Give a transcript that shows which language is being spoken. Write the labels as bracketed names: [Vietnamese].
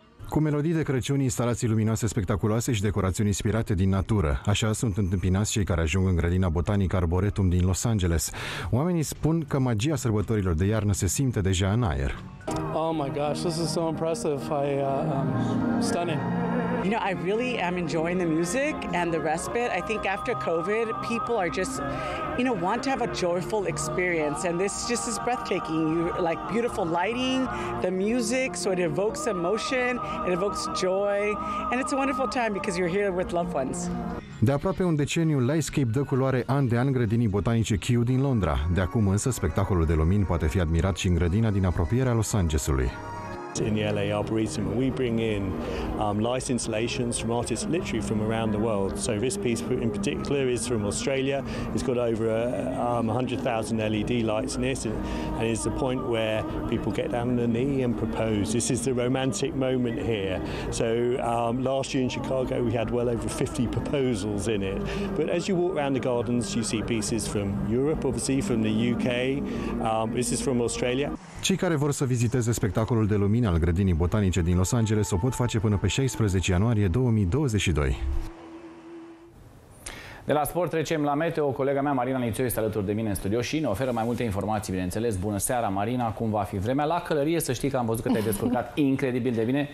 [Romanian] Cu melodii de Crăciun, instalații luminoase spectaculoase și decorațiuni inspirate din natură. Așa sunt întâmpinați cei care ajung în grădina botanică Arboretum din Los Angeles. Oamenii spun că magia sărbătorilor de iarnă se simte deja în aer. [English] Oh my gosh, this is so impressive. I stunning. You know, I really am enjoying the music and the respite. I think after COVID, people are just, you know, want to have a joyful experience. And this just is breathtaking. You like beautiful lighting, the music, so it evokes emotion, it evokes joy. And it's a wonderful time because you're here with loved ones. [Romanian] De aproape un deceniu, Lightscape dă culoare an de an grădinii botanice Kew din Londra. De acum însă, spectacolul de lumini poate fi admirat și în grădina din apropierea Los Angelesului. [English] In the LA Arboretum, we bring in light installations from artists literally from around the world. So this piece in particular is from Australia. It's got over 100,000 LED lights in it, and it's the point where people get down on their knee and propose. This is the romantic moment here. So last year in Chicago, we had well over 50 proposals in it. But as you walk around the gardens, you see pieces from Europe, obviously from the UK. This is from Australia. [Romanian] Cei care vor să viziteze spectacolul de lumini al grădinii botanice din Los Angeles o pot face până pe 16 ianuarie 2022. De la sport trecem la meteo. Colega mea Marina Nițoiu este alături de mine în studio și ne oferă mai multe informații, bineînțeles. Bună seara, Marina, cum va fi vremea? La călărie, să știi că am văzut că te-ai descurcat incredibil de bine.